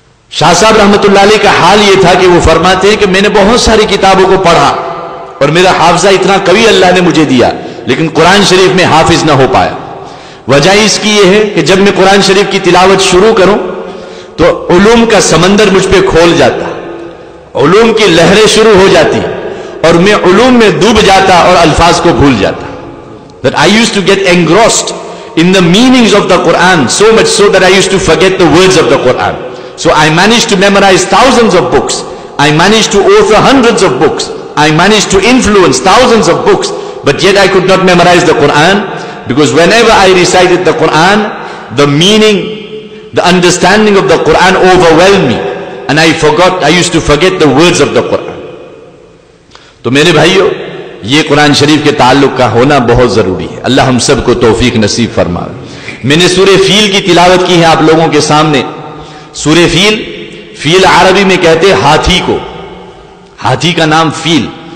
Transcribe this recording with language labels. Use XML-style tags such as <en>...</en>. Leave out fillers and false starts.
<ur>شاہ صاحب رحمت اللہ علیہ کا حال یہ تھا کہ وہ فرماتے ہیں کہ میں نے بہت ساری کتابوں کو پڑھا اور میرا حافظہ اتنا قوی اللہ نے مجھے دیا, لیکن قرآن شریف میں حافظ نہ ہو پایا. وجہ اس کی یہ ہے کہ جب میں قرآن شریف کی تلاوت شروع کروں تو علوم کا سمندر مجھ پہ کھول جاتا, علوم کی لہریں شروع ہو جاتی, اور میں علوم میں ڈوب جاتا اور الفاظ کو بھول جاتا.</ur> <en>That I used to get engrossed in the meanings of the Quran so much so that I used to forget the words of the Quran. So I managed to memorize thousands of books. I managed to author hundreds of books. I managed to influence thousands of books. But yet I could not memorize the Quran, because whenever I recited the Quran, the meaning, the understanding of the Quran overwhelmed me. And I used to forget the words of the Quran.</en> <ur>تو میرے بھائیو, یہ قرآن شریف کے تعلق کا ہونا بہت ضروری ہے. اللہ ہم سب کو توفیق نصیب فرمائے. میں نے سورہ فیل کی تلاوت کی ہے آپ لوگوں کے سامنے. سورہ فیل, فیل عربی میں کہتے ہاتھی کو, ہاتھی کا نام فیل.</ur>